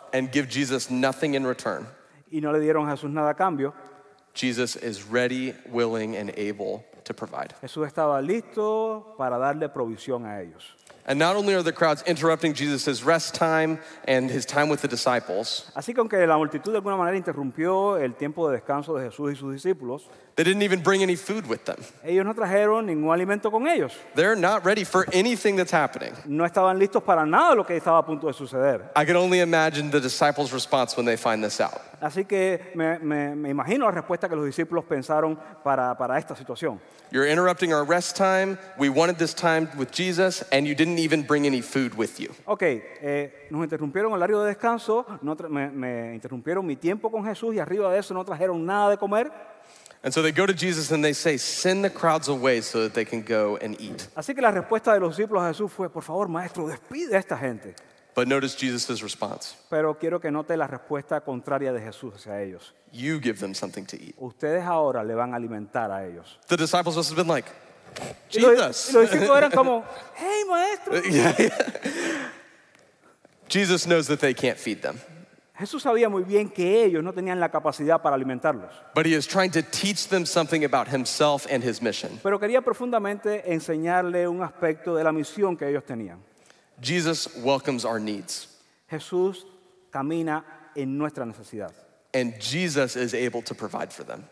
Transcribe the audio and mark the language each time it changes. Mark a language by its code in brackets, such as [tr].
[en] and give Jesus nothing in return, [es] y no le dieron a Jesús nada a cambio, [en] Jesus is ready, willing, and able to provide. [es] Jesús estaba listo para darle provisión a ellos. [en] And not only are the crowds interrupting Jesus' rest time and his time with the disciples, [es] así que aunque la multitud de alguna manera interrumpió el tiempo de descanso de Jesús y sus discípulos, [en] they didn't even bring any food with them. [es] Ellos no trajeron ningún alimento con ellos. [en] They're not ready for anything that's happening. [es] No estaban listos para nada lo que estaba a punto de suceder. [en] I can only imagine the disciples' response when they find this out. [es] Así que me imagino la respuesta que los discípulos pensaron para esta situación. [en] You're interrupting our rest time. We wanted this time with Jesus, and you didn't even bring any food with you. [es] Okay, nos interrumpieron el horario de descanso. Me interrumpieron mi tiempo con Jesús, y arriba de eso no trajeron nada de comer. [en] And so they go to Jesus and they say, send the crowds away so that they can go and eat. [es] Así que la respuesta de los discípulos a Jesús fue, por favor, maestro, despide a esta gente. [en] But notice Jesus' response. [es] Pero quiero que note la respuesta contraria de Jesús hacia ellos. [en] You give them something to eat. [es] Ustedes ahora le van a alimentar a ellos. [en] The disciples must have been like, Jesus. [es] Los discípulos eran como, hey, maestro. [en] Jesus knows that they can't feed them. [es] Jesús sabía muy bien que ellos no tenían la capacidad para alimentarlos. [en] But he is trying to teach them something about himself and his mission. [es] Pero quería profundamente enseñarle un aspecto de la misión que ellos tenían. [en] Jesus welcomes our needs. [es] Jesús camina en nuestra necesidad. [en] And Jesus is able to provide for them.